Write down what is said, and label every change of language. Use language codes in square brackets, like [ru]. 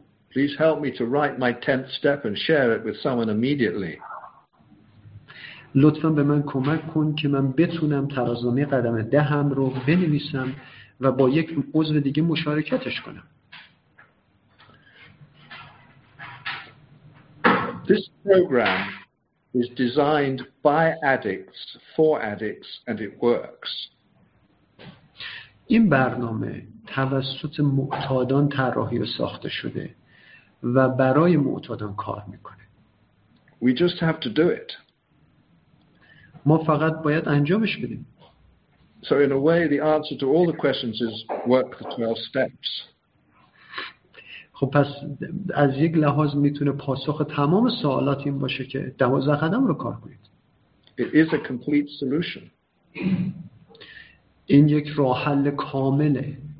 [en] Please help me to write my 10th step and share it with someone immediately. [fa] لطفاً به من کمک کن که من بتونم ترازنامه قدم 10م رو بنویسم و با یک عضو دیگه مشارکتش کنم. [en] This program is designed by addicts for addicts and it works. [fa] این برنامه توسط معتادان طراحی و ساخته شده و برای معتادان کار میکنه. [en] We just have to do it. [fa] ما فقط باید انجامش بدیم. [en] So in a way the answer to all the questions is work the 12 steps. [fa] خب پس از یک لحاظ میتونه پاسخ تمام سوالات این باشه که 12 قدم رو کار کنید. [en] It is a complete solution. [fa] این یک راه حل کامله.